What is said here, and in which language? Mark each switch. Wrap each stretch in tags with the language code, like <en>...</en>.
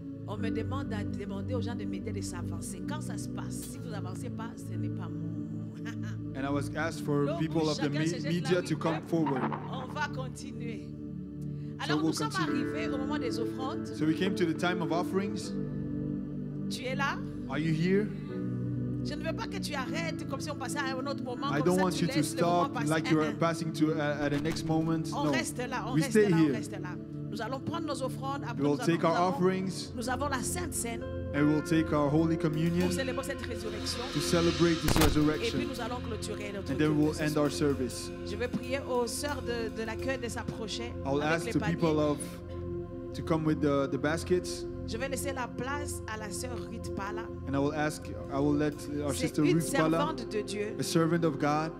<fr>On me demande à demander aux gens de m'aider de s'avancer. Quand ça se passe, si vous avancez pas, ce n'est pas moi.</fr> <en>And I was asked for people of the media to come forward.</en> <fr>On va continuer. Alors nous sommes arrivés au moment des offrandes.</fr> <en>So we came to the time of offerings.</en> <fr>Tu es là?</fr> <en>Are you here?</en> <fr>Je ne veux pas que tu arrêtes comme si on passait à un autre moment.</fr> <en>I don't want</en> <fr>ça,</fr> <en>you to stop like you are passing to at the next moment.</en> <fr>On</fr> <en>no.</en> <fr>Reste là, on</fr> <en>we</en> <fr>reste</fr> <en>stay</en> <fr>là,</fr> <en>here.</en> <fr>On reste là. Nous allons prendre nos offrandes.</fr> <en>We will take our offerings.</en> <fr>Nous avons la Sainte Cène.</fr> <en>And we'll take our Holy Communion to celebrate this resurrection. And then we'll end our service. I'll ask the people of to come with the baskets.</en> <fr>Je vais laisser la place à la sœur Ruth Pala.</fr> <en>And I will ask, I will let our sister Ruth Pala, a servant of God,</en>